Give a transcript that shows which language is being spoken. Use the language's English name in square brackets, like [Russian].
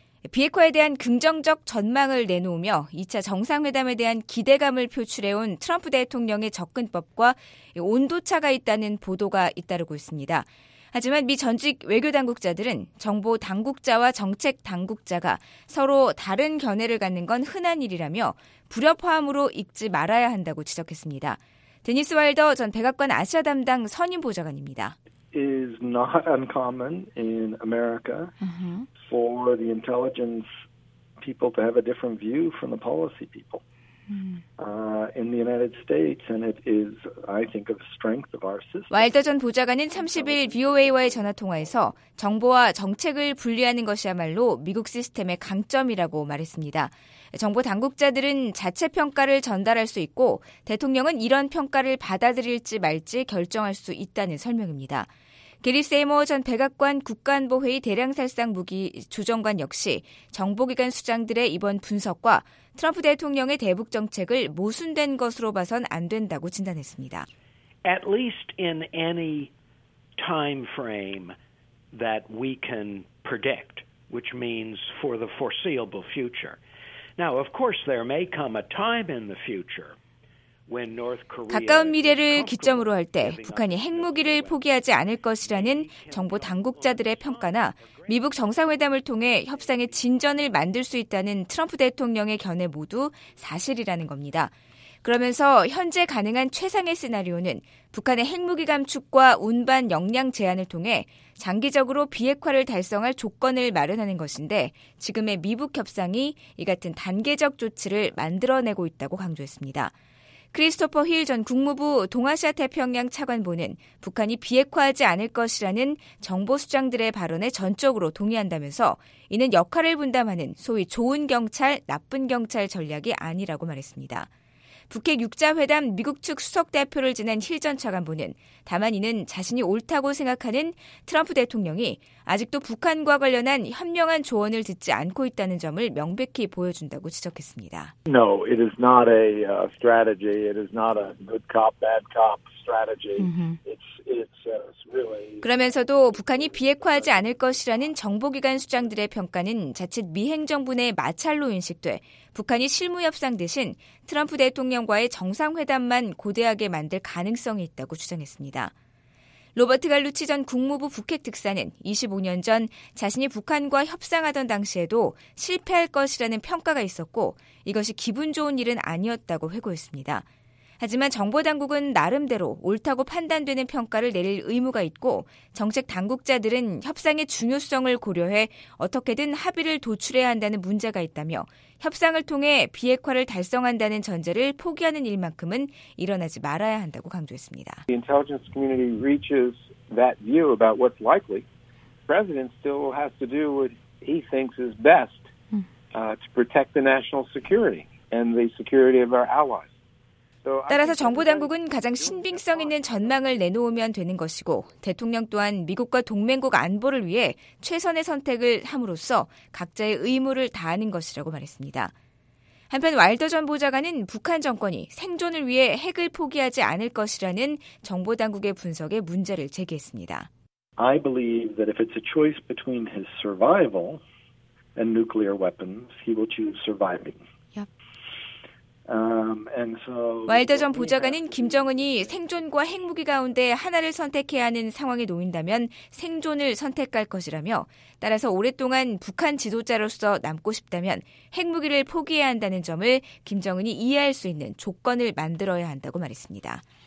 [Korean] 비핵화에 대한 긍정적 전망을 내놓으며 2차 정상회담에 대한 기대감을 표출해온 트럼프 대통령의 접근법과 온도차가 있다는 보도가 잇따르고 있습니다. 하지만 미 전직 외교 당국자들은 정보 당국자와 정책 당국자가 서로 다른 견해를 갖는 건 흔한 일이라며 불협화음으로 읽지 말아야 한다고 지적했습니다. 데니스 와일더 전 백악관 아시아 담당 선임 보좌관입니다. [English] Is not uncommon in America for the intelligence people to have a different view from the policy people. In the United States, and it is, I think, of strength of our system. [Korean] 와일더 전 보좌관은 30일 VOA와의 전화 통화에서 정보와 정책을 분리하는 것이야말로 미국 시스템의 강점이라고 말했습니다. 정보 당국자들은 자체 평가를 전달할 수 있고 대통령은 이런 평가를 받아들일지 말지 결정할 수 있다는 설명입니다. 게리 세이머 전 백악관 국가안보회의 대량살상무기 조정관 역시 정보기관 수장들의 이번 분석과 트럼프 대통령의 대북 정책을 모순된 것으로 봐선 안 된다고 진단했습니다. [English] At least in any time frame that we can predict, which means for the foreseeable future. Now, of course, there may come a time in the future. [Korean] 가까운 미래를 기점으로 할 때 북한이 핵무기를 포기하지 않을 것이라는 정보 당국자들의 평가나 미북 정상회담을 통해 협상의 진전을 만들 수 있다는 트럼프 대통령의 견해 모두 사실이라는 겁니다. 그러면서 현재 가능한 최상의 시나리오는 북한의 핵무기 감축과 운반 역량 제한을 통해 장기적으로 비핵화를 달성할 조건을 마련하는 것인데 지금의 미북 협상이 이 같은 단계적 조치를 만들어내고 있다고 강조했습니다. 크리스토퍼 힐 전 국무부 동아시아 태평양 차관보는 북한이 비핵화하지 않을 것이라는 정보 수장들의 발언에 전적으로 동의한다면서 이는 역할을 분담하는 소위 좋은 경찰, 나쁜 경찰 전략이 아니라고 말했습니다. 북핵 6자회담 미국 측 수석대표를 지낸 힐 전 차관보는 다만 이는 자신이 옳다고 생각하는 트럼프 대통령이 아직도 북한과 관련한 현명한 조언을 듣지 않고 있다는 점을 명백히 보여준다고 지적했습니다. [English] No, it is not a strategy. It is not a good cop, bad cop strategy. It's really... [Korean] 그러면서도 북한이 비핵화하지 않을 것이라는 정보기관 수장들의 평가는 자칫 미 행정부 내 마찰로 인식돼 북한이 실무협상 대신 트럼프 대통령과의 정상회담만 고대하게 만들 가능성이 있다고 주장했습니다. 로버트 갈루치 전 국무부 북핵특사는 25년 전 자신이 북한과 협상하던 당시에도 실패할 것이라는 평가가 있었고 이것이 기분 좋은 일은 아니었다고 회고했습니다. 하지만 정보 당국은 나름대로 옳다고 판단되는 평가를 내릴 의무가 있고 정책 당국자들은 협상의 중요성을 고려해 어떻게든 합의를 도출해야 한다는 문제가 있다며 협상을 통해 비핵화를 달성한다는 전제를 포기하는 일만큼은 일어나지 말아야 한다고 강조했습니다. [English] The intelligence community reaches that view about what's likely. The president still has to do what he thinks is best to protect the national security and the security of our allies. [Korean] 따라서 정보당국은 가장 신빙성 있는 전망을 내놓으면 되는 것이고 대통령 또한 미국과 동맹국 안보를 위해 최선의 선택을 함으로써 각자의 의무를 다하는 것이라고 말했습니다. 한편 와일더 전 보좌관은 북한 정권이 생존을 위해 핵을 포기하지 않을 것이라는 정보당국의 분석에 문제를 제기했습니다. [English] I believe that if it's a choice between his survival and nuclear weapons, he will choose surviving. [Korean] 와일더 전 보좌관은 김정은이 생존과 핵무기 가운데 하나를 선택해야 하는 상황에 놓인다면 생존을 선택할 것이라며 따라서 오랫동안 북한 지도자로서 남고 싶다면 핵무기를 포기해야 한다는 점을 김정은이 이해할 수 있는 조건을 만들어야 한다고 말했습니다.